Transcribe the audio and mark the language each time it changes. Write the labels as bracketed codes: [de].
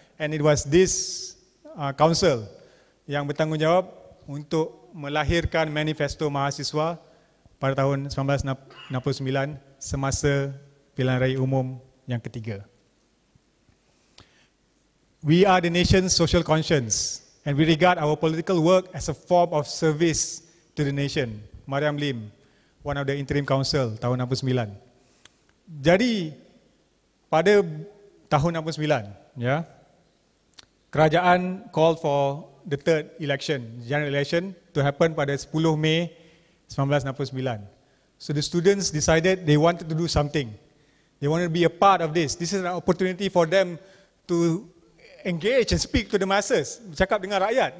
[en] And it was this council [ms] yang bertanggungjawab untuk melahirkan manifesto mahasiswa pada tahun 1969 semasa pilihan raya umum yang ketiga. [en] We are the nation's social conscience and we regard our political work as a form of service to the nation. Mariam Lim, one of the interim council [ms] tahun 69. Jadi pada tahun 69, ya, yeah, kerajaan [en] called for the third election, general election, to happen [ms] pada 10 May 1969. [en] So the students decided they wanted to do something. They wanted to be a part of this. This is an opportunity for them to engage and speak to the masses, [ms] bercakap dengan rakyat.